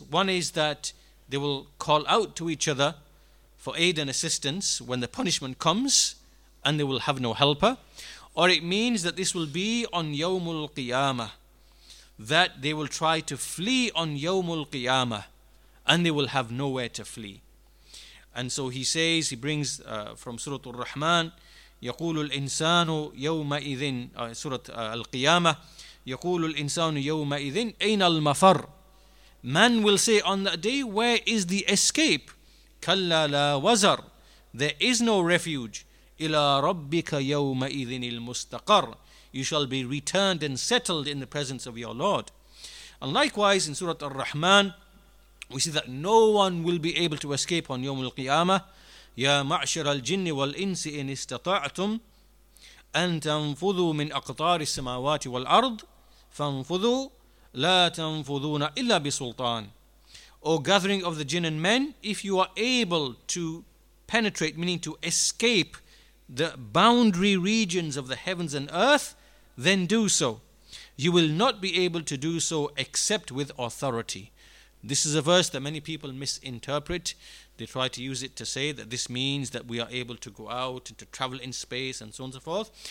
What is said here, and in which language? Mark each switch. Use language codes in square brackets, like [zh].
[en] One is that they will call out to each other for aid and assistance when the punishment comes and they will have no helper. Or it means that this will be on Yawm al-Qiyamah, that they will try to flee on Yawm al-Qiyamah and they will have nowhere to flee. And so he says, he brings from Surah Ar-Rahman, [ar] يقول الإنسان يومئذ سورة القيامة يقول الإنسان يومئذ أين المفر. [en] Man will say on that day, where is the escape? [ar] كلا لا وزر. [en] There is no refuge. [ar] إلى ربك يومئذ المستقر. [en] You shall be returned and settled in the presence of your Lord. And likewise in Surah Ar-Rahman, we see that no one will be able to escape on يوم القيامة. [ar] يا معشر الجن والإنس إن استطعتم أن تنفذوا من أقطار السماوات والأرض فانفذوا لا تنفذون إلا بسلطان. [en] O gathering of the jinn and men, if you are able to penetrate, meaning to escape the boundary regions of the heavens and earth, then do so. You will not be able to do so except with authority. This is a verse that many people misinterpret. They try to use it to say that this means that we are able to go out and to travel in space and so on and so forth.